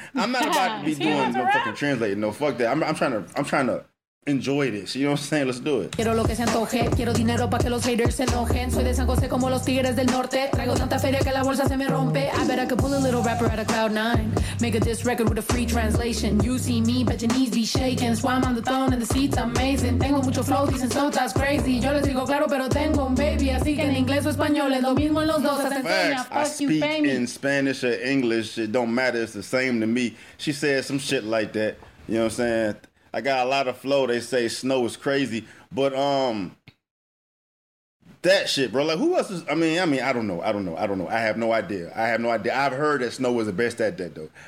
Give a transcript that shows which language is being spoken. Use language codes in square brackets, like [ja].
[en] I'm not about to be doing no fucking translating. No, fuck that. I'm trying to enjoy this, you know what I'm saying? Let's do it. [es] Quiero lo que se antoje, quiero dinero para que los haters se enojen. Soy de San José como los tigres del norte. Traigo tanta feria que la bolsa se me rompe. [en] I bet I could pull a little rapper out of cloud nine. Make a diss record with a free translation. You see me, bet your knees be shaking. Swam on the throne and the seat's amazing. [es] Tengo mucho flow, dicen [en] sometimes crazy. [es] Yo les digo claro, pero tengo un baby. Así que en inglés o español es lo mismo en los dos. [en] Facts, I speak in Spanish or English. It don't matter, it's the same to me. She said some shit like that, you know what I'm saying? I got a lot of flow. They say Snow is crazy, but that shit, bro. Like, who else is? I mean, I don't know. I have no idea. I've heard that Snow was the best at that, though.